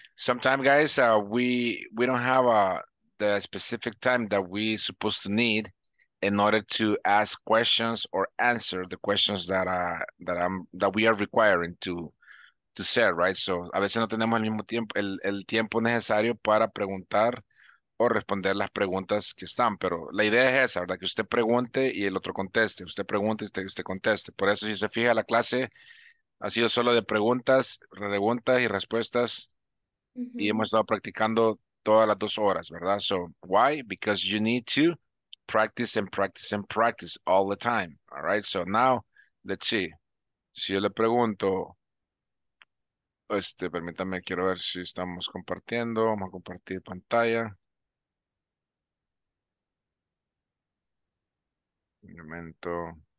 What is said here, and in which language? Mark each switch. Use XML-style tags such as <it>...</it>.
<en>Sometimes, guys, we don't have the specific time that we supposed to need in order to ask questions or answer the questions that we are requiring to say, right?</en> <es>So, a veces no tenemos el mismo tiempo, el tiempo necesario para preguntar o responder las preguntas que están, pero la idea es esa, ¿verdad? Que usted pregunte y el otro conteste, usted pregunte y usted conteste. Por eso, si se fija, la clase ha sido solo de preguntas y respuestas, uh-huh. Y hemos estado practicando todas las dos horas, ¿verdad?</es> <en>So, why? Because you need to practice and practice and practice all the time, all right? So, now, let's see.</en> <es>Si yo le pregunto, permítame, quiero ver si estamos compartiendo. Vamos a compartir pantalla. Un momento.</es>